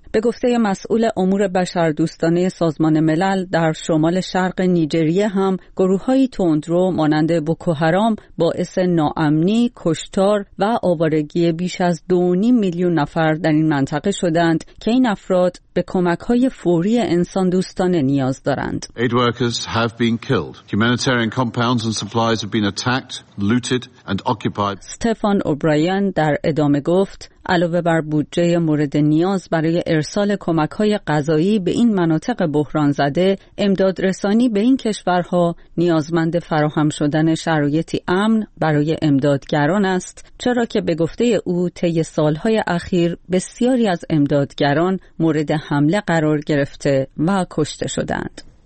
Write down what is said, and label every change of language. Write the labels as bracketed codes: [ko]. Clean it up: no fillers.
[fa] به گفته مسئول امور بشردوستانه سازمان ملل در شمال شرق نیجریه هم گروه‌های تندرو مانند بوکو هارام باعث ناامنی، کشتار و آوارگی بیش از 2.5 میلیون نفر در این منطقه شدند که این افراد به کمک‌های فوری انسان دوستانه نیاز دارند. [en] Aid workers have been killed. Humanitarian compounds and supplies have been attacked, looted and occupied. [fa] استفان اوبراین در ادامه گفت علاوه بر بودجه مورد نیاز برای ارسال کمک‌های غذایی به این مناطق بحران زده، امداد رسانی به این کشورها نیازمند فراهم شدن شرایطی امن برای امدادگران است، چرا که به گفته او طی سال‌های اخیر بسیاری از امدادگران مورد حمله قرار گرفته و کشته شدند.